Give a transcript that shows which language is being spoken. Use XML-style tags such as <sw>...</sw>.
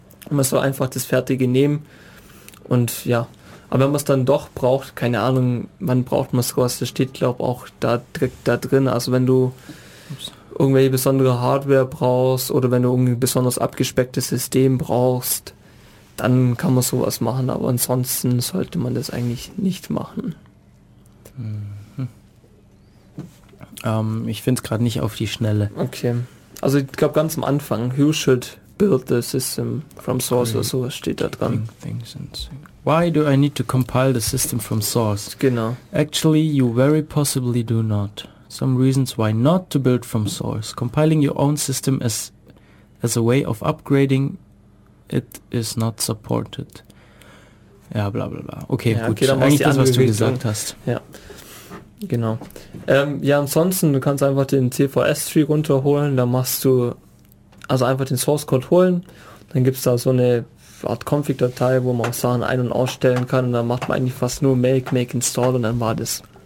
<de>Man soll einfach das Fertige nehmen und ja, aber wenn man es dann doch braucht, keine Ahnung, wann braucht man sowas, das steht glaube ich auch da direkt da drin, also wenn du irgendwelche besondere Hardware brauchst oder wenn du irgendein besonders abgespecktes System brauchst, dann kann man sowas machen, aber ansonsten sollte man das eigentlich nicht machen. Ich finde es gerade nicht auf die Schnelle. Okay. Also ich glaube ganz am Anfang,</de> <en>who should build the system from source</en> <de>oder sowas steht da dran.</de> <en>Why do I need to compile the system from source? Genau. Actually, you very possibly do not. Some reasons why not to build from source. Compiling your own system as a way of upgrading it is not supported.</en> <de>Ja, bla bla bla. Okay, ja, gut. Okay, eigentlich das, was du gesagt hast. Ja. Genau. Ja, ansonsten, du kannst einfach den CVS-Tree runterholen, da machst du, also einfach den Source-Code holen, dann gibt es da so eine Art Config-Datei, wo man auch Sachen ein- und ausstellen kann, und dann macht man eigentlich fast nur make install und dann war das.</de>